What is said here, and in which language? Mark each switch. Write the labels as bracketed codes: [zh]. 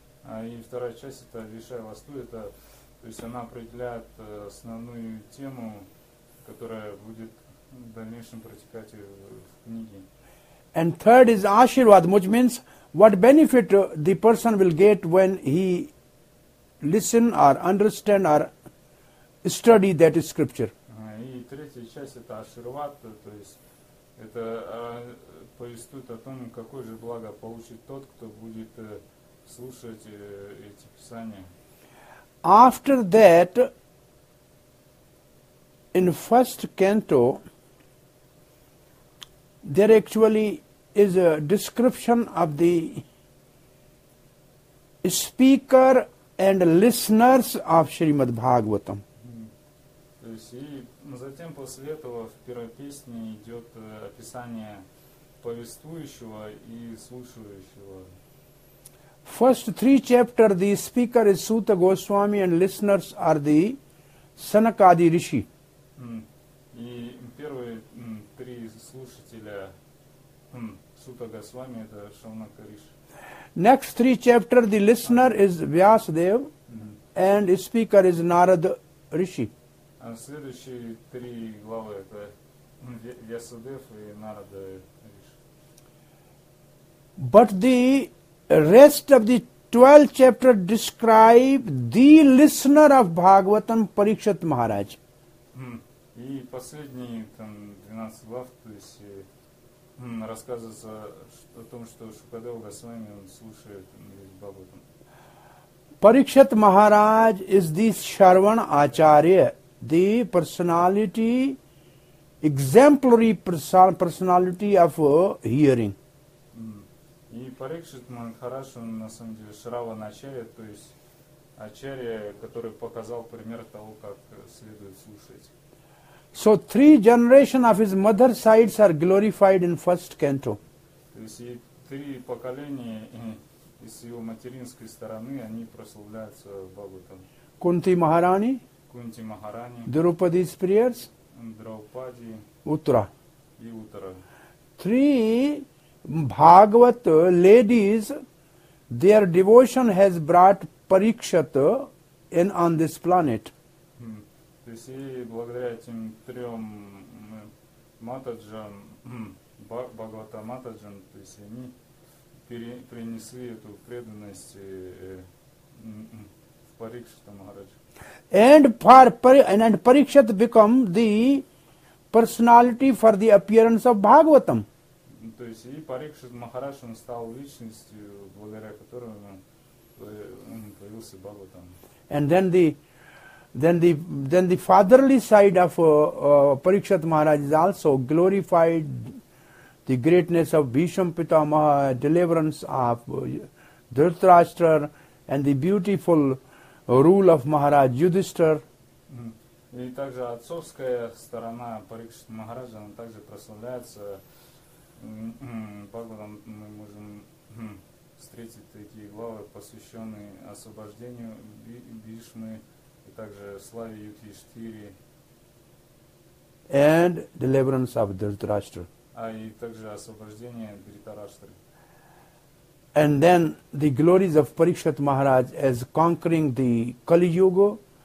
[ru] А и вторая часть это Vishaya Vastu, это то есть она определяет основную тему, которая будет в дальнейшем протекать в книге. [en] And third is Ashirvad, which means what benefit the person will get when he listen or understand or study that scripture. [ru] И третья часть это Ашервад, то есть это повествует о том, какое же благо получит тот, кто будет слушать эти писания. [en] After that, in first canto, there actually is a description of the speaker and listeners of Srimad Bhagavatam. [ru] То есть, и затем после этого в первой песне идет описание повествующего и слушающего. [en] First three chapter, the speaker is Suta Goswami and listeners are the Sanakadi Rishi. [ru] И первые три слушателя Suta Goswami это Шаунака Риши. [en] Next three chapter, the listener is Vyasadev and speaker is Narada Rishi. [ru] А следующие три главы это Vyasadev и Narada Rishi. [en] But the rest of the 12th chapter describe the listener of Bhagavatam, Parikshit Maharaj. [ru] И последние там 12 глав, то есть рассказывается о том, что Шукадева Госвами слушает Бхагаватам. [en] Parikshit Maharaj is the Sharvan Acharya, the personality, exemplary personality of hearing. [ru] И Парикшит Махарадж, он на самом деле Шраван Ачарья, то есть Ачарья, который показал пример того, как следует слушать. [en] So three generation of his mother sides are glorified in first canto. [ru] То есть и три поколения из его материнской стороны, они прославляются Бхагаватам. Кунти Махарани. Кунти Махарани. Драупади Сприерс. Драупади. Утра. И Утра. [en] Three Bhagavat ladies, their devotion has brought Parikshit in on this planet. [ru] То есть, благодаря этим трем матаджам, Бхагавата матаджам, то есть, они принесли эту преданность в Парикшита Махараджа. [en] And Parikshit become the personality for the appearance of Bhagavatam. [ru] То есть и Парикшит Махарадж, он стал личностью, благодаря которому появился Бхагаватам. [en] And then the fatherly side of Parikshit Maharaj is also glorified the greatness of Bhisham Pitamah, deliverance of Dhritarashtra and the beautiful rule of Maharaj Yudhishthir. [ru] И также отцовская сторона Парикшит Махараджа, она также прославляется. Бхагаватам мы можем встретить такие главы, посвященные освобождению Бхишмы и также славе Юдхиштхиры. [en] And deliverance of Дхритарашта. [ru] А и также освобождение Дхритарашты. [en] And then the glories of Parikshit Maharaj as conquering the Kali Yuga.